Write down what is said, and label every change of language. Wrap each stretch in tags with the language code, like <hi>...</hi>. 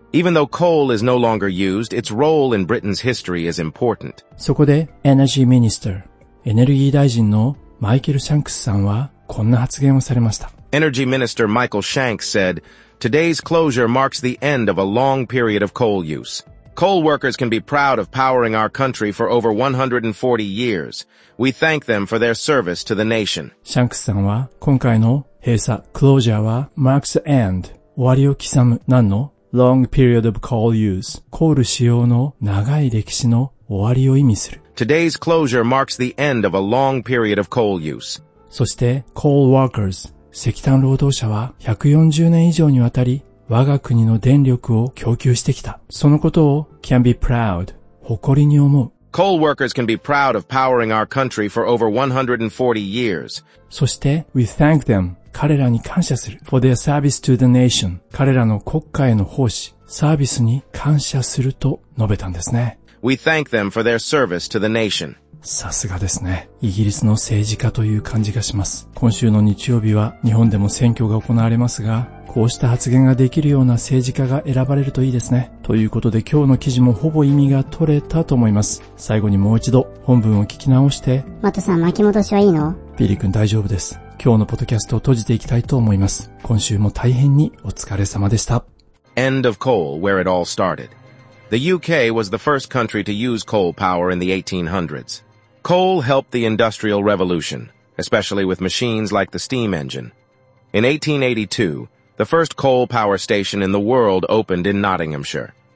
<en>Even though coal is no longer used, its role in Britain's history is important.</en> <ja>そこで Energy Minister、エネルギー大臣のマイケル・シャンクスさんはこんな発言をされました。</ja> <en>Energy Minister Michael Shanks said,Today's closure marks the end of a long period of coal use. Coal workers can be proud of powering our country for over 140 years. We thank them for their service to the nation.</en> <ja>シャンクスさんは今回の閉鎖 closure は marks the end 終わりを刻む何の long period of coal use コール使用の長い歴史の終わりを意味する。</ja> <en>Today's closure marks the end of a long period of coal use.</en> <ja>そして coal workers石炭労働者は140年以上にわたり我が国の電力を供給してきた。そのことを can be proud 誇りに思う。</ja> <en>Coal workers can be proud of powering our country for over 140 years.</en> <ja>そして we thank them 彼らに感謝する for their service to the nation 彼らの国家への奉仕サービスに感謝すると述べたんですね。</ja> <en>We thank them for their service to the nation.</en> <ja>さすがですね。イギリスの政治家という感じがします。今週の日曜日は日本でも選挙が行われますが、こうした発言ができるような政治家が選ばれるといいですね。ということで今日の記事もほぼ意味が取れたと思います。最後にもう一度本文を聞き直して。マトさん巻き戻しはいいの？ビリ君大丈夫です。今日のポッドキャストを閉じていきたいと思います。今週も大変にお疲れ様でした。</ja> <en>End of coal, where it all started. The UK was the first country to use coal power in the 1800s. Coal helped the Industrial Revolution, especially with machines like the steam engine. In 1882, the first coal power station in the world opened in Nottinghamshire.</en>